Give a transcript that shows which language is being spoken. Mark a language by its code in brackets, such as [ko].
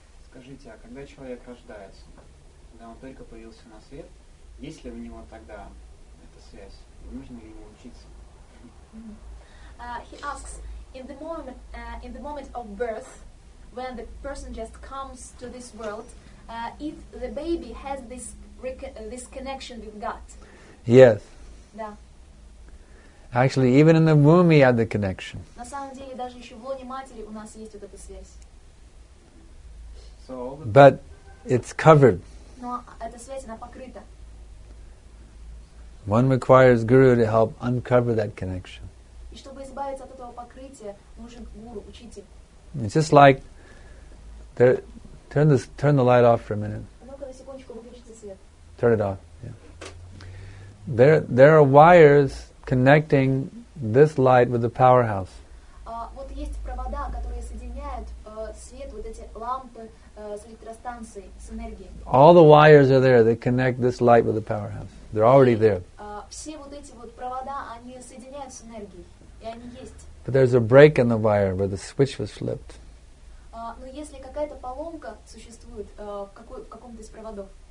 [ru] Скажите, а когда человек рождается, когда он только появился на свет, есть ли у него тогда эта связь? Нужно ли ему учиться? [en] He asks, in the moment of birth, when the person just comes to this world, if the baby has this connection with God? Yes. [ru] Да. [en] Actually, even in the womb, he had the connection. [ru] На самом деле, даже еще в лоне матери у нас есть вот эта связь. [en] But it's covered. [ru] Но эта связь, она покрыта. [en] One requires guru to help uncover that connection. [ru] И чтобы избавиться от этого покрытия, нужен гуру, учитель. [en] It's just like, turn the light off for a minute. [ru] Ну-ка, на секундочку, выключите свет. [en] Turn it off. There are wires connecting this light with the powerhouse. [ru] Вот есть провода, которые соединяют свет, вот эти лампы с электростанцией, с энергией. [en] All the wires are there. They connect this light with the powerhouse. They're already there. [ru] Все вот эти вот провода, они соединяют с энергией, и они есть. [en] But there's a break in the wire where the switch was flipped. [ru] Но если какая-то поломка существует в каком-то из проводов.